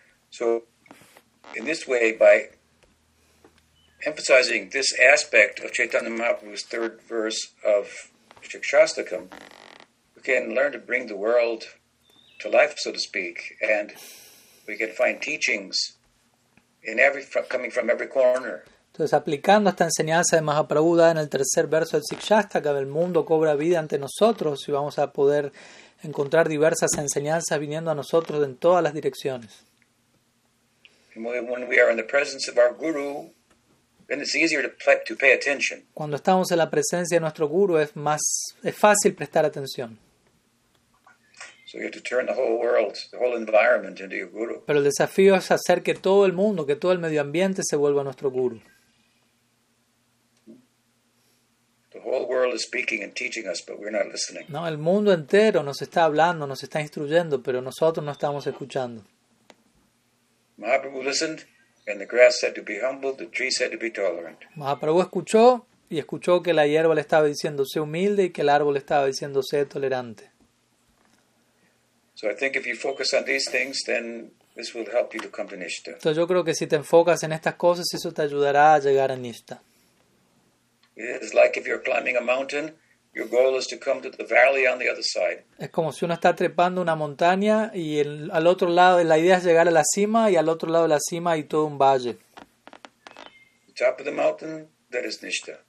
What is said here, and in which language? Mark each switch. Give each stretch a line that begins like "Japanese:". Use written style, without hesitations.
English: So, in this way, by emphasizing this aspect of Chaitanya Mahaprabhu's third verse of Shikshastakam, we can learn to bring the world to life, so to speak, and we can find teachings in every coming from every corner.
Spanish: Entonces, aplicando esta enseñanza de Mahaprabhu en el tercer verso del Shikshastakam, el mundo cobra vida ante nosotros y vamos a poder encontrar diversas enseñanzas viniendo a nosotros en todas las direcciones.
English: When we are in the presence of our guru, then it's easier to pay attention.
Spanish: Cuando estamos en la presencia de nuestro guru, es fácil prestar atención.
English: So you have to turn the whole world, the whole environment into your guru.
Spanish: Pero el desafío es hacer que todo el mundo, que todo el medio ambiente se vuelva nuestro guru.
English: The whole world is speaking and teaching us, but we're not listening.
Spanish: No, el mundo entero nos está hablando, nos está instruyendo, pero nosotros no estamos escuchando.
English: Mahaprabhu listened, and the grass said to be humble, the tree said to be tolerant.
Spanish: Mahaprabhu escuchó, y escuchó que la hierba le estaba diciendo sé humilde, y que el árbol estaba diciendo sé tolerante.
English: So I think if you focus on these things, then this will help you to come to Nishta.
Spanish: Entonces yo creo que si te enfocas en estas cosas, eso te ayudará a llegar a Nishta.
English: It is like if you're climbing a mountain, your goal is to come to the valley on the other side.
Spanish: Es como si uno está trepando una montaña y al otro lado la idea es llegar a la cima y al otro lado de la cima hay todo un valle.
English: The top of the mountain, that is Nishta.